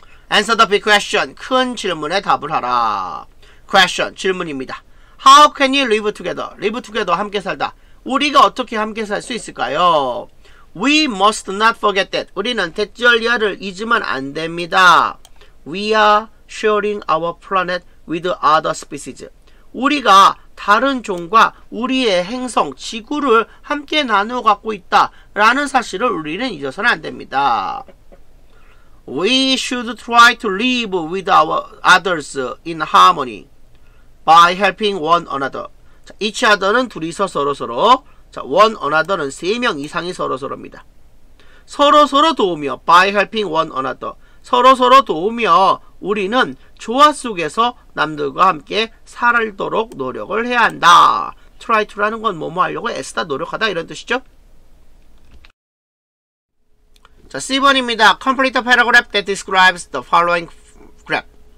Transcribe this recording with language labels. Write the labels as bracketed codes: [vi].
[en] Answer the big question. [ko] 큰 질문에 답을 하라. [en] Question, [ko] 질문입니다. [en] How can you live together? Live together, [ko] 함께 살다. 우리가 어떻게 함께 살 수 있을까요? [en] We must not forget that. [ko] 우리는 대절리아를 잊으면 안 됩니다. [en] We are sharing our planet with other species. [ko] 우리가 다른 종과 우리의 행성, 지구를 함께 나누어 갖고 있다라는 사실을 우리는 잊어서는 안 됩니다. [en] We should try to live with others in harmony by helping one another. [ko] 자, [en] each other [ko] 는 둘이서 서로서로, 자, [en] one another [ko] 는 세 명 이상이 서로서로입니다. 서로서로 도우며, [en] by helping one another, [ko] 서로서로 도우며 우리는 조화 속에서 남들과 함께 살도록 노력을 해야 한다. [en] Try to [ko] 라는 건 뭐뭐 하려고 애쓰다, 노력하다 이런 뜻이죠. 자, C번입니다. [en] Complete a paragraph that describes the following graph.